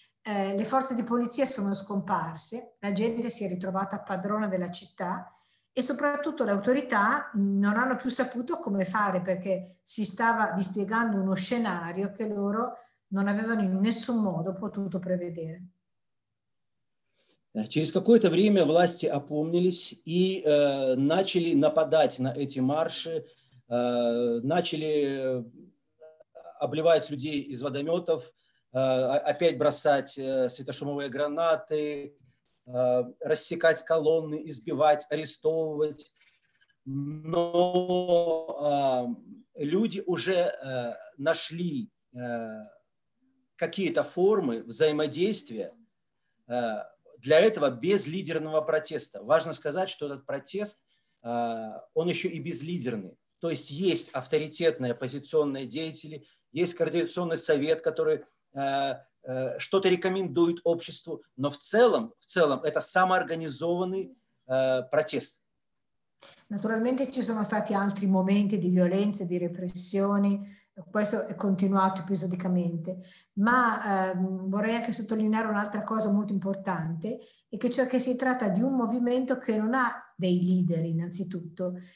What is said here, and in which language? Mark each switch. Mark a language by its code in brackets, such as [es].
[it] le forze di polizia sono scomparse, la gente si è ritrovata padrona della città e soprattutto le autorità non hanno più saputo come fare, perché si stava dispiegando uno scenario che loro non avevano in nessun modo potuto prevedere. [ru] Через какое-то время власти опомнились и начали нападать на эти марши, начали обливать людей из водометов, опять бросать светошумовые гранаты, рассекать колонны, избивать, арестовывать. Но люди уже нашли какие-то формы взаимодействия для этого без лидерного протеста. Важно сказать, что этот протест, он еще и безлидерный. То есть есть авторитетные оппозиционные деятели, есть координационный совет, который что-то рекомендует обществу, но в целом это самоорганизованный протест. [it] Naturalmente ci sono stati altri momenti di violenza, di repressioni, questo è continuato episodicamente, ma vorrei anche sottolineare un'altra cosa molto importante, e che cioè che si tratta di un movimento che non ha dei leader innanzitutto.